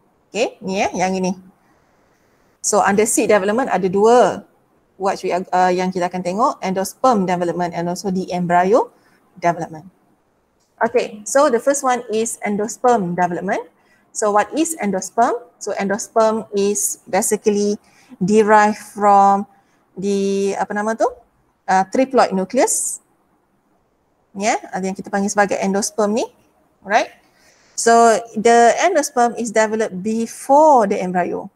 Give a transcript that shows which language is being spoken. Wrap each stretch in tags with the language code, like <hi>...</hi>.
<ms>Okay, ni eh, yang ini.</ms> <en>So under seed development ada dua what we are,</en> <ms>yang kita akan tengok,</ms> <en>endosperm development and also the embryo development. Okay, so the first one is endosperm development. So what is endosperm? So endosperm is basically derived from</en> <ms>di apa nama tu? Triploid nucleus. Ya, yeah, yang kita panggil sebagai endosperm ni.</ms> <en>Alright. So the endosperm is developed before the embryo.</en>